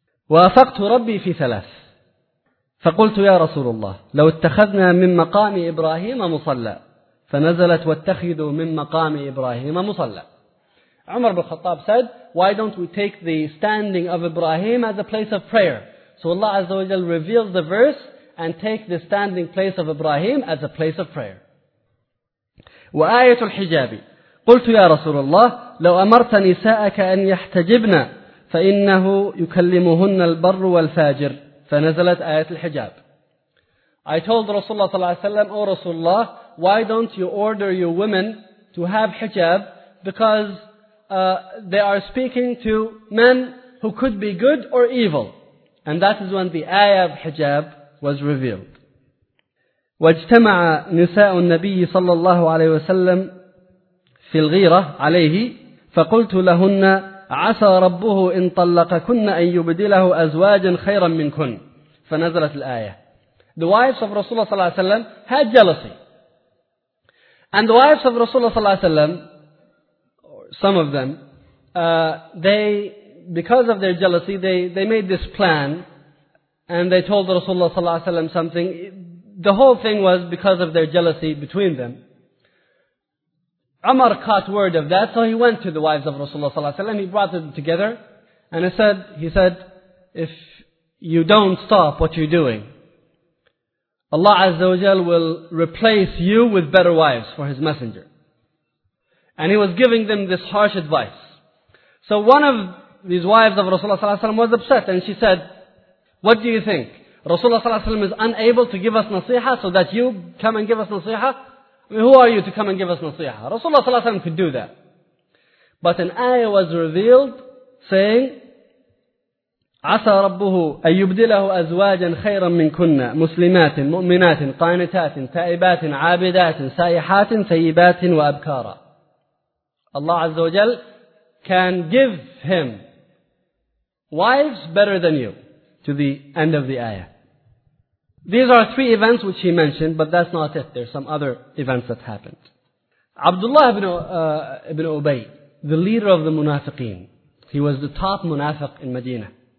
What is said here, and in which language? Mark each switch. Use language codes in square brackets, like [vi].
[ar] وَأَفَقْتُ رَبِّي فِي ثَلَاثٍ فَقُلْتُ يَا رَسُولُ اللَّهِ لَوْ اتَّخَذْنَا مِنْ مَقَامِ إِبْرَاهِيمَ مُصَلَّى فَنَزَلَتْ وَاتَّخِذُوا مِنْ مَقَامِ إِبْرَاهِيمَ مُصَلَّى. [en] Umar bin Khattab said, why don't we take the standing of Ibrahim as a place of prayer? So Allah Azza wa Jal reveals the verse and take the standing place of Ibrahim as a place of prayer. [ar] وآية الحجاب قلت يا رسول الله لو أمرت نساءك أن يحتجبن فإنه يكلمهن البر والفاجر فنزلت آية الحجاب. [en] I told Rasulullah صلى الله عليه وسلم, O Rasulullah, why don't you order your women to have hijab, because they are speaking to men who could be good or evil. And that is when the ayah of hijab was revealed. [ar] واجتمع نساء النبي صلى الله عليه وسلم في الغيرة عليه فقلت لهن عسى ربه إن طلقكن أن يبدله أزواجا خيرا منكن فنزلت الآية. [en] The wives of Rasulullah صلى الله عليه وسلم had jealousy. And the wives of Rasulullah صلى الله عليه وسلم, some of them, they, because of their jealousy, they made this plan and they told Rasulullah صلى الله عليه وسلم something. The whole thing was because of their jealousy between them. Umar caught word of that, so he went to the wives of Rasulullah ﷺ, he brought them together, and he said, if you don't stop what you're doing, Allah Azza wa Jal will replace you with better wives for His Messenger. And he was giving them this harsh advice. So one of these wives of Rasulullah ﷺ was upset, and she said, what do you think? Rasulullah ﷺ is unable to give us nasiha so that you come and give us nasiha? I mean, who are you to come and give us nasiha? Rasulullah ﷺ could do that. But an ayah was revealed saying, [ar] عَسَى رَبُّهُ أَن يُبْدِلَهُ أَزْوَاجًا خَيْرًا مِّنْكُنَّ مُسْلِمَاتٍ مُؤْمِنَاتٍ قَانِتَاتٍ تَائِبَاتٍ عَابِدَاتٍ سَائِحَاتٍ ثَيِّبَاتٍ وَأَبْكَارًا. [en] Allah Azza wa Jal can give him wives better than you. To the end of the ayah. These are three events which he mentioned, but that's not it. There's some other events that happened. Abdullah ibn Ubay, the leader of the munafiqeen, he was the top munafiq in Medina.